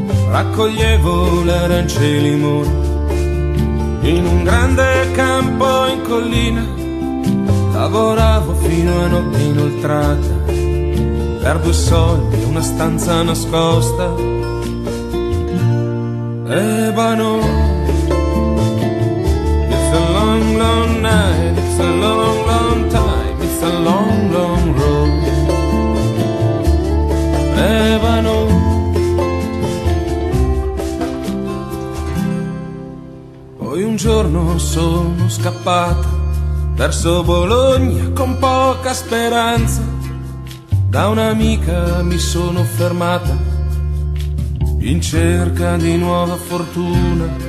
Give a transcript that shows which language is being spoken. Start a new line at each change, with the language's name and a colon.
Italian: Raccoglievo l'arancia e il limone in un grande campo in collina. Lavoravo fino a notte inoltrata per due soldi e una stanza nascosta.
English: Ebano, it's a long, long night, it's a long, long time, it's a long, long road.
Italian: Ebano, poi un giorno sono scappato verso Bologna con poca speranza. Da un'amica mi sono fermata in cerca di nuova fortuna.